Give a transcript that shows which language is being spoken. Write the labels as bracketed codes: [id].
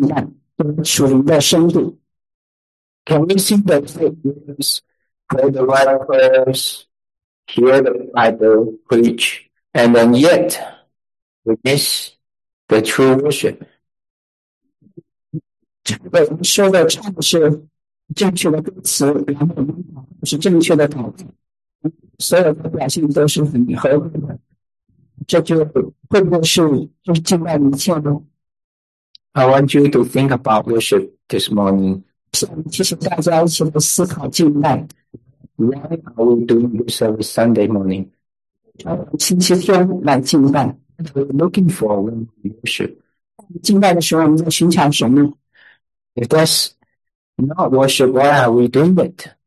[zh] 在心里深深受触动，其实非常的投入，这是不是就是等同敬拜，属灵的深度？ [en] Can we sing the prayers, pray the right prayers, hear the Bible preach, and then yet witness the true worship? [zh] 我们说的唱的是正确的歌词，然后我们是正确的祷告。所有的表现都是很合理的，这就会不会是就是敬拜一切呢？ [en] I want you to think about worship this morning. [zh] 想提醒大家一起来思考敬拜。 [en] Why are we doing this every Sunday morning? [zh] 星期天来敬拜。 [en] We're looking for when we worship. [zh] 敬拜的时候我们在寻求什么？ [en] If that's not worship, why are we doing it?